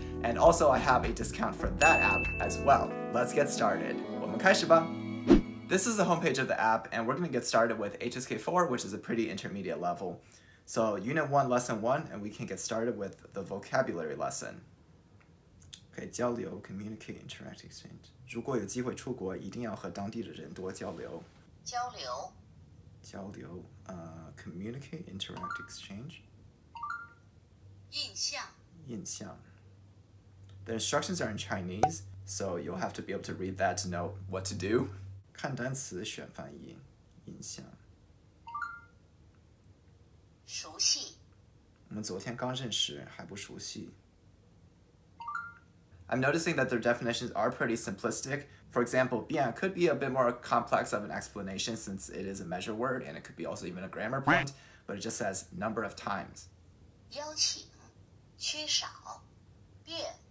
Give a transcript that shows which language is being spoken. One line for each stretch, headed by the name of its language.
English: And also, I have a discount for that app as well. Let's get started.
Chinese: 我们开始吧!
English: This is the homepage of the app, and we're going to get started with HSK 4, which is a pretty intermediate level. So, Unit 1, Lesson 1, and we can get started with the vocabulary lesson. Okay, 交流, communicate, interact, exchange.
Chinese: 如果有机会出国, 一定要和当地的人多交流。交流.
English: 交流, communicate, interact, exchange.
Chinese: 印象. 印象.
English: The instructions are in Chinese, so you'll have to be able to read that to know what to do.
Chinese: 看单词选翻译, 印象. 熟悉. 我们昨天刚认识, 还不熟悉.
English: I'm noticing that their definitions are pretty simplistic. For example, 变 could be a bit more complex of an explanation since it is a measure word and it could be also even a grammar point, but it just says number of times.
Chinese: 邀请,缺少, 变.